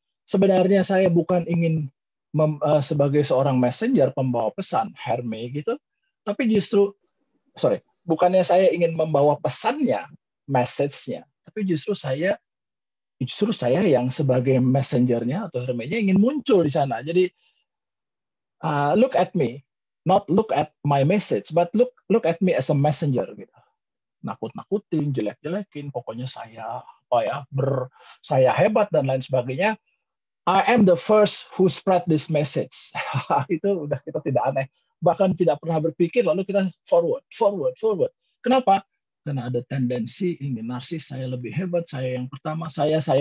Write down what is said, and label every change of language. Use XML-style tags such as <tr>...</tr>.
<id>Sebenarnya saya bukan ingin sebagai seorang messenger, pembawa pesan, Herme gitu, tapi justru, bukannya saya ingin membawa pesannya, message-nya, tapi justru saya yang sebagai messenger-nya atau Herme-nya ingin muncul di sana.</id> <en>Jadi, look at me, not look at my message, but look at me as a messenger. Gitu.</en> <id>Nakut-nakutin, jelek-jelekin, pokoknya saya apa ya, saya hebat dan lain sebagainya.</id> <en>I am the first who spread this message.</en> <id>Itu udah kita tidak aneh. Bahkan tidak pernah berpikir, lalu kita forward. Kenapa? Karena ada tendensi ingin narsis, saya lebih hebat, saya yang pertama, saya.</id>